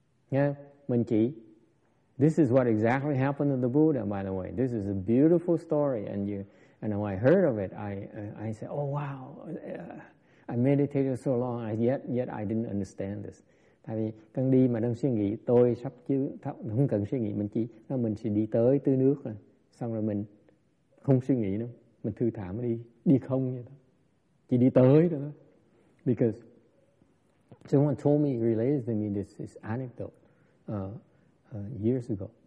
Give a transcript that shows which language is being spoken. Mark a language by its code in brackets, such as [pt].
[en] Yeah, Munchi. This is what exactly happened to the Buddha, by the way. This is a beautiful story. And when I heard of it, I said, oh, wow. I meditated so long, yet I didn't understand this. [vi] Tại vì đang đi mà đang suy nghĩ, tôi sắp chứ không cần suy nghĩ, mình sẽ đi tới tư nước rồi. Xong rồi mình không suy nghĩ đâu, mình thư thả mà đi, đi không vậy đó. Chỉ đi tới thôi. [en] Because someone told me, related to me, this anecdote years ago.